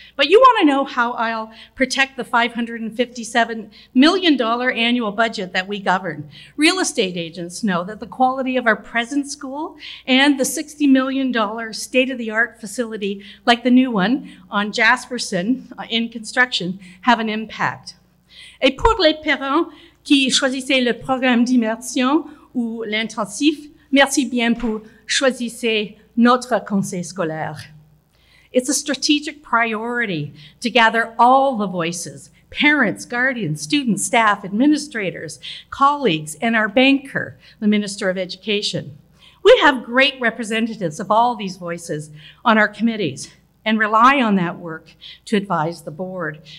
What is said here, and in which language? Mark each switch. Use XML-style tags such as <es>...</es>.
<en>But you want to know how I'll protect the $557 million annual budget that we govern. Real estate agents know that the quality of our present school and the $60 million state-of-the-art facility, like the new one on Jasperson in construction, have an impact.</en> <fr>Et pour les parents qui choisissaient le programme d'immersion ou l'intensif, merci bien pour choisissez notre conseil scolaire.</fr> <en>It's a strategic priority to gather all the voices, parents, guardians, students, staff, administrators, colleagues, and our banker, the Minister of Education. We have great representatives of all these voices on our committees and rely on that work to advise the board.</en>